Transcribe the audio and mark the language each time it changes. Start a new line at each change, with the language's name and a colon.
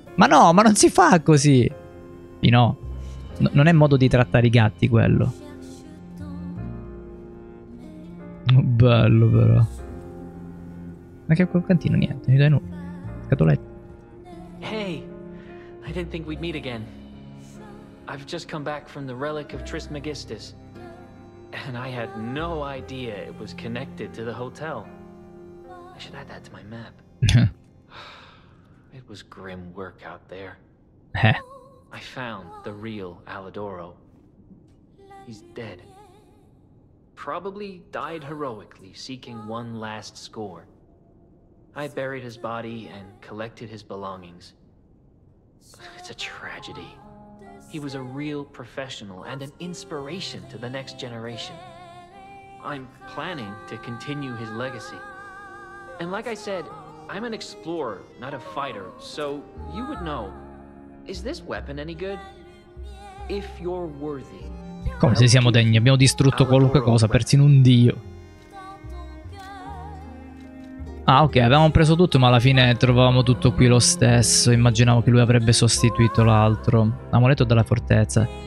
Italian: Ma no, ma non si fa così. Pi, no. Non è modo di trattare i gatti, quello. Bello, però. Ma che quel cantino, niente, mi dai nulla. Scatoletta.
English: Hey, I didn't think we'd meet again. I've just come back from the relic of Trismegistus. And I had no idea it was connected to the hotel. I should add that to my map. It was grim work out there. I found the real Alidoro. He's dead. Probably died heroically, seeking one last score. I buried his body and collected his belongings. It's a tragedy. He was a real professional and an inspiration to the next generation. I'm planning to continue his legacy. And like I said, I'm an explorer, not a fighter, so you would know. Is this weapon any good? If you're worthy.
Italian: Come se siamo degni, abbiamo distrutto qualunque cosa, persino un dio. Ah, ok, avevamo preso tutto, ma alla fine trovavamo tutto qui lo stesso. Immaginavo che lui avrebbe sostituito l'altro. Amuleto della fortezza.